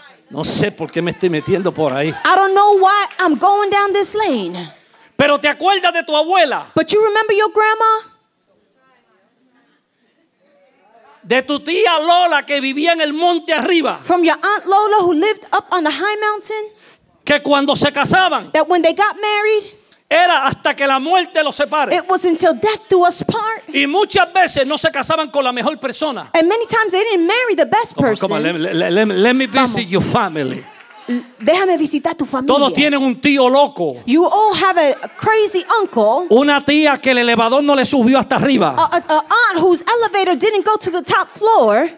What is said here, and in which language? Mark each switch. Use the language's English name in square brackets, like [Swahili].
[Spanish] No sé por qué me estoy metiendo por ahí. [English] I don't know why I'm going down this lane. [Spanish] Pero te acuerdas de tu abuela. [English] But you remember your grandma? [Spanish] De tu tía Lola que vivía en el monte arriba. [English] From your aunt Lola who lived up on the high mountain. [Spanish] Que cuando se casaban. [English] That when they got married. [Spanish] Era hasta que la muerte los separe. [English] It was until death do us part. [Spanish] Y muchas veces no se casaban con la mejor persona. [English] And many times they didn't marry the best person. Come on, let me visit Vamos. Your family. [Spanish] Déjame visitar tu familia. Todos tienen un tío loco. [English] You all have a crazy uncle. [Spanish] Una tía que el elevador no le subió hasta arriba. [English] A aunt whose elevator didn't go to the top floor.